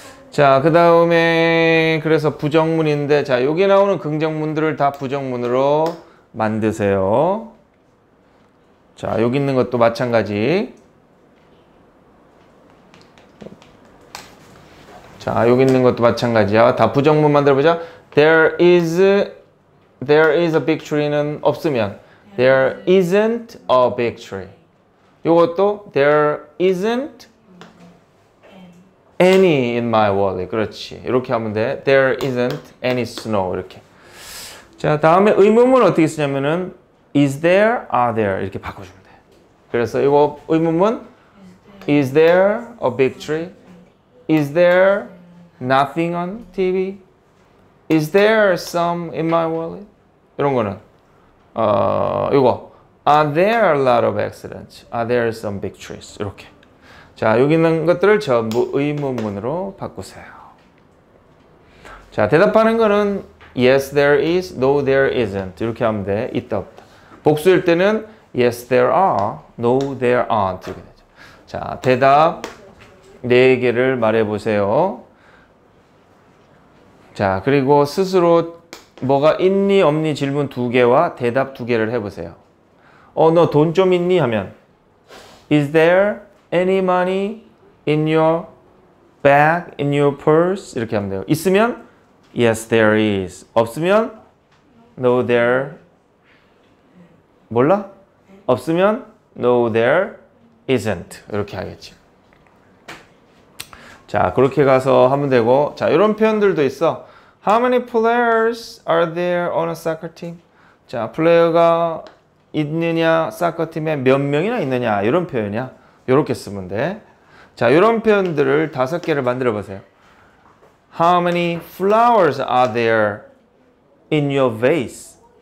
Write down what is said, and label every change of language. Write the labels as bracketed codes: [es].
[ko] 자, 그 다음에 그래서 부정문인데 자, 여기 나오는 긍정문들을 다 부정문으로 만드세요. 자, 여기 있는 것도 마찬가지. 자, 여기 있는 것도 마찬가지야. 다 부정문 만들어보자. [en] There is a big tree [ko] 는 없으면 [en] there isn't a big tree. [ko] 이것도 [en] there isn't any in my wallet. [ko] 그렇지. 이렇게 하면 돼. [en] There isn't any snow. [ko] 이렇게. 자, 다음에 의문문 어떻게 쓰냐면은 [en] is there, are there [ko] 이렇게 바꿔주면 돼. 그래서 이거 의문문 [en] is there a big tree? Is there nothing on TV? Is there some in my wallet? [ko] 이런 거는 이거 [en] are there a lot of accidents? Are there some big trees? [ko] 이렇게. 자, 여기 있는 것들을 전부 의문문으로 바꾸세요. 자, 대답하는 거는 [en] yes, there is, no, there isn't. [ko] 이렇게 하면 돼. 있다, 없다. 복수일 때는 [en] yes, there are, no, there aren't. [ko] 이렇게 되죠. 자, 대답 네 개를 말해보세요. 자, 그리고 스스로 뭐가 있니, 없니 질문 두 개와 대답 두 개를 해보세요. 너 돈 좀 있니? 하면 [en] is there any money in your bag, in your purse? [ko] 이렇게 하면 돼요. 있으면 [en] yes, there is. [ko] 없으면 [en] no, there [ko] 몰라? 없으면 [en] no, there isn't. [ko] 이렇게 하겠지. 자, 그렇게 가서 하면 되고 자, 이런 표현들도 있어. [en] How many players are there on a soccer team? [ko] 자, 플레이어가 있느냐, 사커팀에 몇 명이나 있느냐, 이런 표현이야. 이렇게 쓰면 돼. 자, 이런 표현들을 다섯 개를 만들어 보세요. [en] How many flowers are there in your vase?